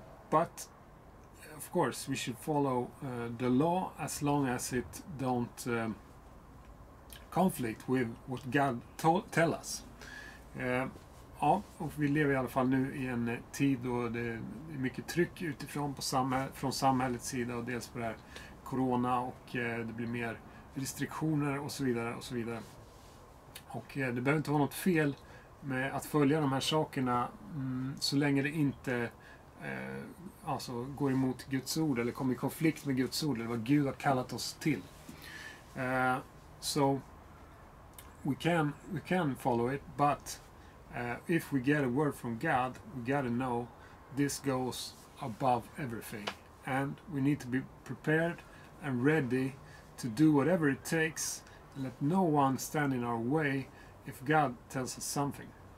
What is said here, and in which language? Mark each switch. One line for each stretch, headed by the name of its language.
English: But of course we should follow the law as long as it don't conflict with what God tell us.
Swedish: Ja, och vi lever i alla fall nu i en tid då det är mycket tryck utifrån på från samhällets sida, och dels på det här corona, och det blir mer restriktioner och så vidare och så vidare. Och det behöver inte vara något fel med att följa de här sakerna så länge det inte alltså går emot Guds ord eller kommer i konflikt med Guds ord eller vad Gud har kallat oss till.
English: So we can follow it, but if we get a word from God, we gotta know this goes above everything, and we need to be prepared and ready to do whatever it takes and let no one stand in our way if God tells us something.